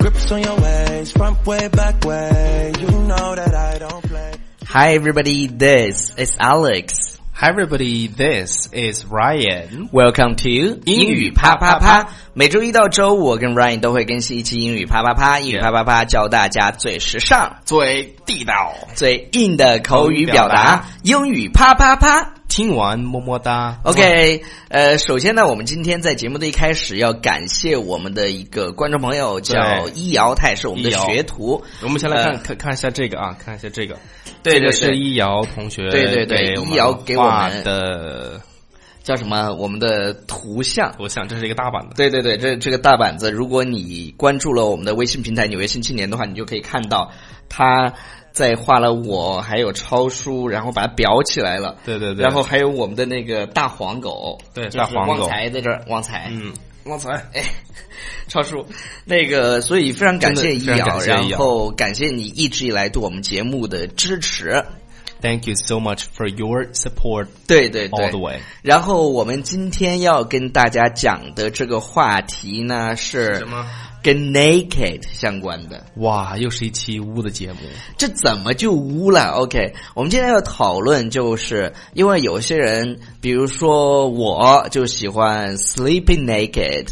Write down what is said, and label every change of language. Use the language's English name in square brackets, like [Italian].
[English] on your ways, front way, back way. You know that I don't play. Hi everybody, this is Alex. Hi everybody, this is Ryan. Welcome to [Chinese] 英语啪啪啪。每周一到周五，我跟 Ryan 都会更新一期英语啪啪啪。英语啪啪啪，教大家最时尚、最地道、最硬的口语表达。英语啪啪啪，听完么么哒。 OK， 首先呢，我们今天在节目的一开始要感谢我们的一个观众朋友叫易遥，他也是我们的学徒。我们先来看、看一下这个啊，看一下这个。对，这个是易遥同学，对对对，易遥给我们的叫什么？我们的图像，图像，这是一个大板子。对对对，这个大板子，如果你关注了我们的微信平台《纽约新青年》的话，你就可以看到他在画了我，还有抄书，然后把它裱起来了。对对对，然后还有我们的那个大黄狗，对，大黄狗，就是旺财在这儿，旺财，嗯。旺财，哎，超叔，那个，所以非常感谢易遥，然后感谢你一直以来对我们节目的支持。 [English] Thank you so much for your support. [Chinese] 对对对 [English] ，all the way. [Chinese] 然后我们今天要跟大家讲的这个话题呢是什么？跟 naked 相关的。哇，又是一期污的节目。这怎么就污了 ？OK， 我们今天要讨论，就是因为有些人，比如说我就喜欢 [English] sleeping naked。